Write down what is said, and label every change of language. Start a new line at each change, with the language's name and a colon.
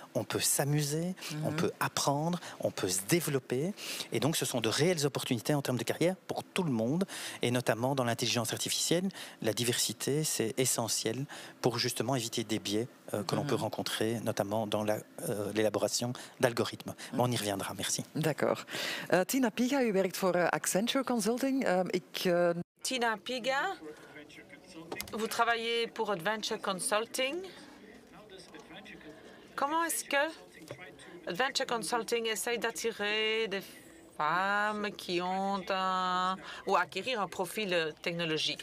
French: On peut s'amuser, on peut apprendre, on peut se développer. Et donc, ce sont de réelles opportunités en termes de carrière pour tout le monde, et notamment dans l'intelligence artificielle. La diversité, c'est essentiel pour justement éviter des biais que l'on peut rencontrer, notamment dans l'élaboration d'algorithmes. Mais on y reviendra, merci. D'accord.
Dutch: Tina Piga, u werkt voor Accenture Consulting. Tina Piga.
French: Vous travaillez pour Adventure Consulting. Comment est-ce que Venture Consulting essaye d'attirer des femmes qui ont ou acquérir un profil technologique.